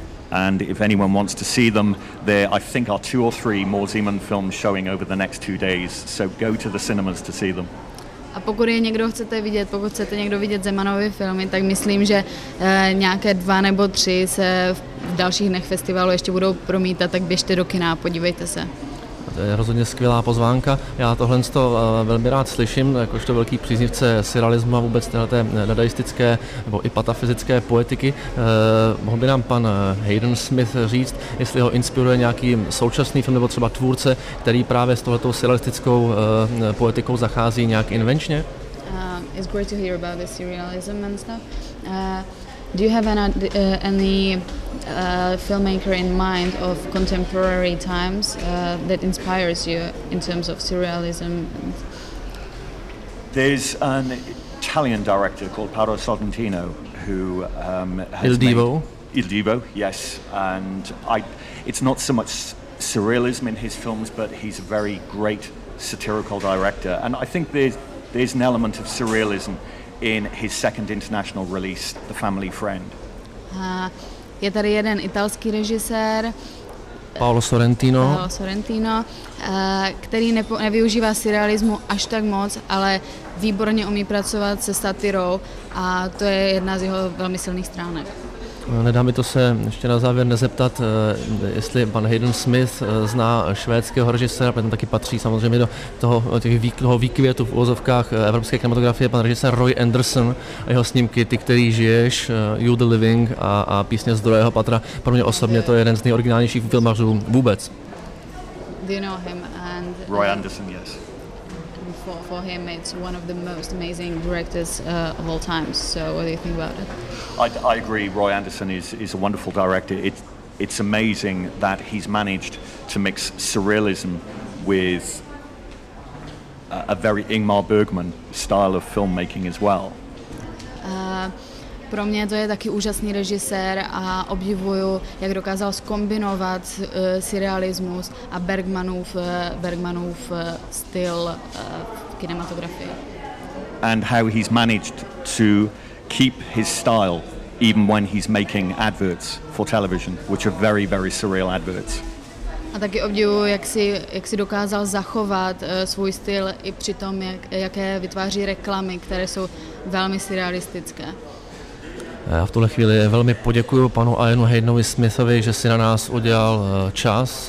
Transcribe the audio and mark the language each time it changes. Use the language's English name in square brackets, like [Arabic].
[English] And if anyone wants to see them, there I think are 2 or 3 more Zeman films showing over the next 2 days, so go to the cinemas to see them. [Czech] A pokud je někdo chcete vidět, pokud chcete někdo vidět Zemanovy filmy, tak myslím, že nějaké 2 nebo 3 se v dalších dnech festivalu ještě budou promítat, tak běžte do kina a podívejte se. To je rozhodně skvělá pozvánka. Já tohle z toho velmi rád slyším, jakožto velký příznivce surrealismu a vůbec téhleté dadaistické nebo i patafyzické poetiky. Mohl by nám pan Hayden Smith říct, jestli ho inspiruje nějaký současný film nebo třeba tvůrce, který právě s tohletou surrealistickou poetikou zachází nějak invenčně? [English] It's great to hear about the surrealism and stuff. Do you have any filmmaker in mind of contemporary times that inspires you in terms of surrealism? There's an Italian director called Paolo Sorrentino who has Il Divo. Made, Il Divo, yes. And it's not so much surrealism in his films, but he's a very great satirical director. And I think there's an element of surrealism in his second international release, The Family Friend. [Czech] Je tady jeden italský režisér, Paolo Sorrentino, který nevyužívá surrealismu až tak moc, ale výborně umí pracovat se satirou a to je jedna z jeho velmi silných stránek. Nedá mi to se ještě na závěr nezeptat, jestli pan Hayden Smith zná švédského režiséra, protože taky patří samozřejmě do toho výkvětu v uvozovkách evropské kinematografie, pan režisér Roy Anderson a jeho snímky Ty, který žiješ, You the Living a písně z druhého patra. Pro mě osobně to je jeden z nejoriginálnějších filmařů vůbec. [English] Do you know him? And Roy Anderson, yes. For him, it's one of the most amazing directors of all time. So, what do you think about it? I agree. Roy Anderson is a wonderful director. It's amazing that he's managed to mix surrealism with a very Ingmar Bergman style of filmmaking as well. [Czech] Pro mě to je taky úžasný režisér a obdivuju, jak dokázal zkombinovat surrealismus a Bergmanův styl kinematografie. [English] And how he's managed to keep his style even when he's making adverts for television, which are very, very surreal adverts. [Czech] A taky obdivuju, jak si dokázal zachovat svůj styl i při tom, jaké vytváří reklamy, které jsou velmi surrealistické. Já v tuhle chvíli velmi poděkuji panu Ianu Haydenovi Smithovi, že si na nás udělal čas.